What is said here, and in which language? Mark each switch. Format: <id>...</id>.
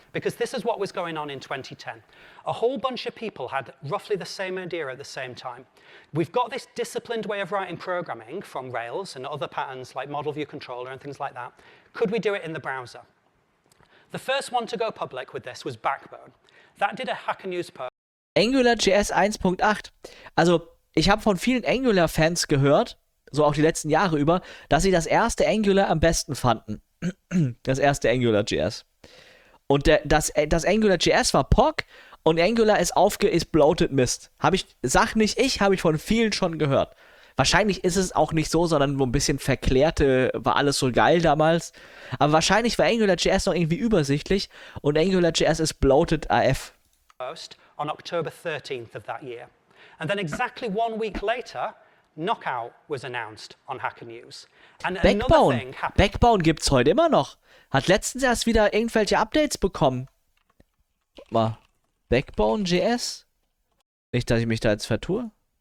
<en>because this is what was going on in 2010. A whole bunch of people had roughly the same idea at the same time. We've got this disciplined way of writing programming from Rails and other patterns like Model View Controller and things like that. Could we do it in the browser? The first one to go public with this was Backbone. That did a Hacker News post. AngularJS 1.8.</en> <de>Also, ich habe von vielen Angular-Fans gehört, so auch die letzten Jahre über, dass sie das erste Angular am besten fanden. Das erste AngularJS. Und das AngularJS war POC. Und Angular ist bloated Mist. Habe ich von vielen schon gehört. Wahrscheinlich ist es auch nicht so, sondern nur ein bisschen verklärte, war alles so geil damals. Aber wahrscheinlich war AngularJS noch irgendwie übersichtlich und AngularJS ist bloated AF.</de> <en>On October 13th of that year. And then exactly one week later, Knockout was announced on Hacker News. And</en> <de>Backbone.</de> <en>Another thing happened.</en> <de>Backbone gibt's heute immer noch. Hat letztens erst wieder irgendwelche Updates bekommen. Guck mal. Backbone JS? Nicht, dass ich mich da jetzt vertue.</de>